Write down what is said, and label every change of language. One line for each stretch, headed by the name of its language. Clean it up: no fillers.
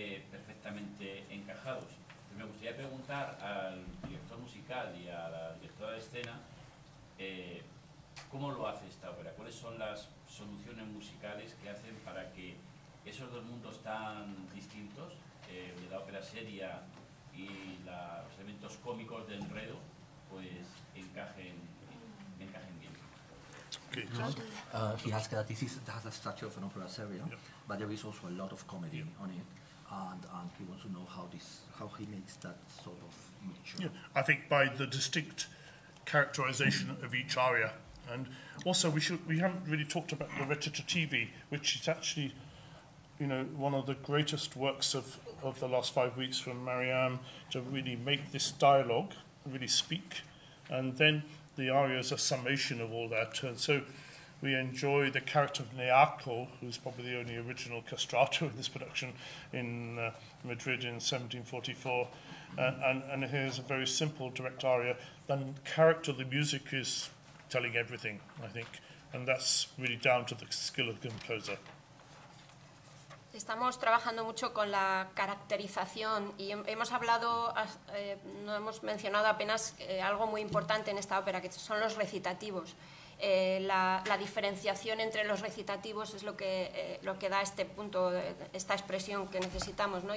Spanish: Perfectamente encajados. Pero me gustaría preguntar al director musical y a la directora de escena cómo lo hace esta ópera, cuáles son las soluciones musicales que hacen para que esos dos mundos tan distintos, de la ópera seria y los elementos cómicos de enredo, pues encajen bien.
English: He has that. This is has the structure of an opera seria, but there is also a lot of comedy on it, and he wants to know how he makes that sort of mixture. Yeah, I think by the distinct characterization of each aria, and also we haven't really talked about the recitativi, which is actually, you know, one of the greatest works of the last 5 weeks from Marianne, to really make this dialogue really speak, and then the aria is a summation of all that. And so we enjoy the character of Neaco, who's probably the only original castrato in this production, in Madrid in 1744. And here's a very simple direct aria. Then the character of the music is telling everything, I think. And that's really down to the skill of the composer.
Spanish: Estamos trabajando mucho con la caracterización y hemos hablado, no hemos mencionado apenas algo muy importante en esta ópera, que son los recitativos. La diferenciación entre los recitativos es lo que da este punto, esta expresión que necesitamos, ¿no?